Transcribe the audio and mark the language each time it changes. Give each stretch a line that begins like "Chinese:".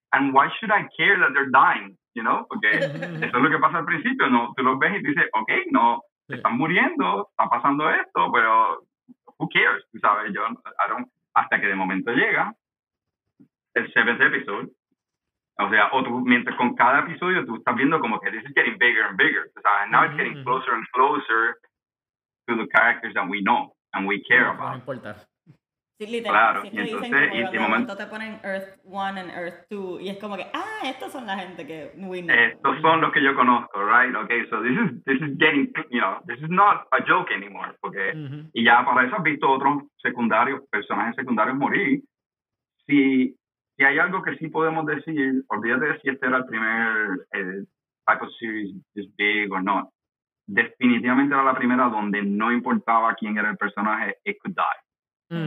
English: And why should I care that they're dying? You know?
Spanish: Porque eso es lo que pasa al principio, ¿no? Tú los ves y dices, okay, no, se están muriendo, está pasando esto, pero
English: who cares?
Spanish: Tú sabes, yo, Aaron, hasta que de momento llega el 7th episode. O sea, mientras con cada episodio tú estás viendo como que
English: this is getting bigger and bigger.
Spanish: O sea,
English: now it's getting closer and closer to the characters that we know and we care about.
Spanish: No importa. Sí, literalmente. Claro. Si es que entonces, dicen como, y de momento te ponen Earth 1 and Earth 2 y es como que, estos son la gente que
English: we know.
Spanish: Estos son los que yo conozco, right?
English: Okay, so this is getting, you know, this is not a joke anymore.
Spanish: Porque, y ya para eso has visto otros personajes secundarios morir. Sí. Y hay algo que sí podemos decir, olvídate de si este era el primer
English: type of series this big or not,
Spanish: definitivamente era la primera donde no importaba quién era el personaje,
English: it could die.